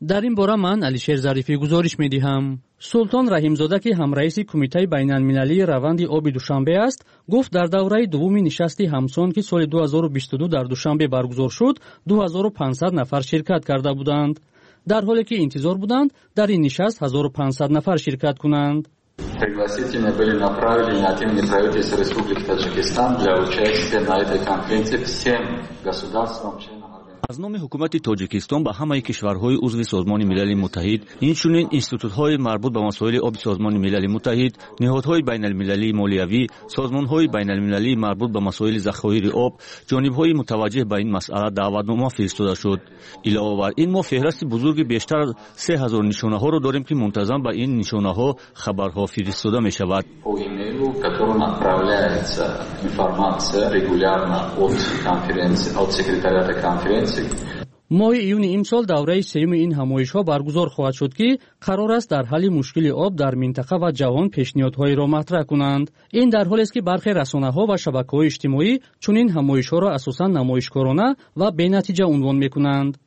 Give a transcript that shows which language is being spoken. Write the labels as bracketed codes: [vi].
[fa] در این باره من علیشر ظریفی گزارش می دهم. سلطان رحیمزاده که هم رئیس کمیته بین المللی روند آب دوشنبه است گفت در دوره دوم نشست همسان که سال 2022 در دوشنبه برگزار شد 2500 نفر شرکت کرده بودند، در حالی که انتظار بودند در این نشست 1500 نفر شرکت کنند. [ru] Пригласительные были направлены от имени правительства Республики Таджикистан для участия на этой конференции всем государствам членам. [fa] از نام حکومت تاجیکستان به همه کشورهای عضو سازمان ملل متحد، اینچنین اینستیتوت‌های مربوط به مسائل آب سازمان ملل متحد، نهادهای بین‌المللی مالیوی، سازمان‌های بین‌المللی مربوط به مسائل ذخایر آب، جانب‌های متوجه به این مسئله دعوت‌نامه فرستاده شد. علاوه بر این ما فهرست بزرگ بیشتر از 3000 نشانه‌ها را داریم که منتظم به این نشانه‌ها خبرها فرستاده می‌شود. [ru] которому направляется информация регулярно от конференции, от секретариата конференции. [fa] ماه ایون امسال دوره سوم این همایش‌ها برگزار خواهد شد که قرار است در حل مشکل آب در منطقه و جهان پیشنهادهایی را مطرح کنند. این در حالی است که برخی رسانه‌ها و شبکه‌های اجتماعی چنین همایش‌ها را اساساً نمایشکارانه و بی‌نتیجه عنوان می‌کنند.